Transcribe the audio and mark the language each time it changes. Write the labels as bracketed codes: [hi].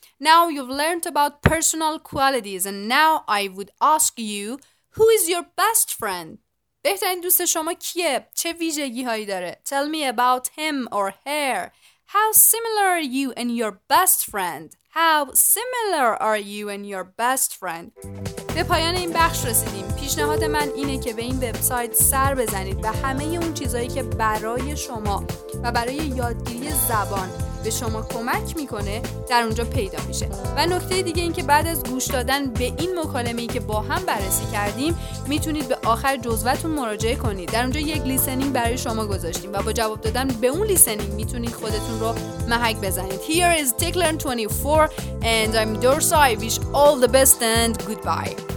[en] Now you've learned about personal qualities and now I would ask you, who is your best friend? [fa] بهترین دوست شما کیه؟ چه ویژگی هایی داره؟ [en] Tell me about him or her. How similar are you and your best friend? How similar are you and your best friend? [fa] به پایان این بخش رسیدیم. پیشنهاد من اینه که به این وبسایت سر بزنید و همه اون چیزایی که برای شما و برای یادگیری زبان به شما کمک میکنه در اونجا پیدا میشه. و نکته دیگه این که بعد از گوش دادن به این مکالمه‌ای که با هم بررسی کردیم میتونید به آخر جزوه‌تون مراجعه کنید. در اونجا یک لیسنینگ برای شما گذاشتیم و با جواب دادن به اون لیسنینگ میتونید خودتون رو محک بزنید. [en] Here is TickLearn 24 and I'm Dorsa. I wish all the best and goodbye.